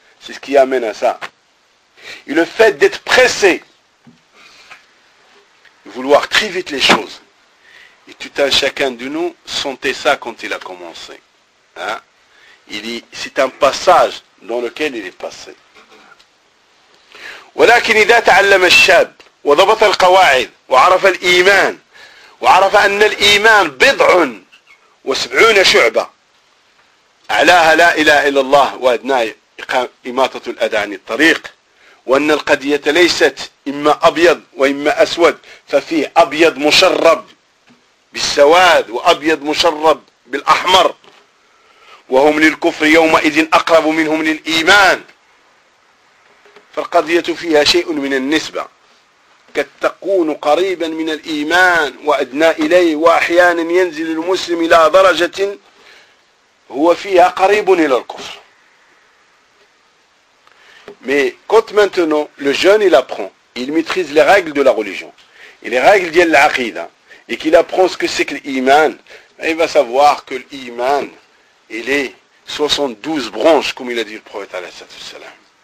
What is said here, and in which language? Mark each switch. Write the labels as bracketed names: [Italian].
[French] C'est ce qui amène à ça. Et le fait d'être pressé, vouloir très vite les choses. Et tout un chacun de nous sentait ça quand il a commencé. Hein? Il dit, c'est un passage dans lequel il est passé. [Arabic] ولكن إذا تعلم الشاب وضبط القواعد وعرف الإيمان وعرف أن الإيمان بضع وسبعون شعبة أعلاها لا إله إلا الله وأدناها إماطة الأذى عن الطريق وأن القضية ليست إما أبيض وإما أسود ففيه أبيض مشرب بالسواد وأبيض مشرب بالأحمر وهم للكفر يومئذ أقرب منهم للإيمان فالقضية فيها شيء من النسبة قد تكون قريبا من الإيمان وأدنى إليه وأحيانا ينزل المسلم إلى درجة هو فيها قريب إلى الكفر. [French] Mais quand maintenant le jeune il apprend, il maîtrise les règles de la religion et les règles de l'aqida et qu'il apprend ce que c'est que l'iman, il va savoir que l'iman il est 72 branches comme il a dit le prophète alayhi salatu wassalam.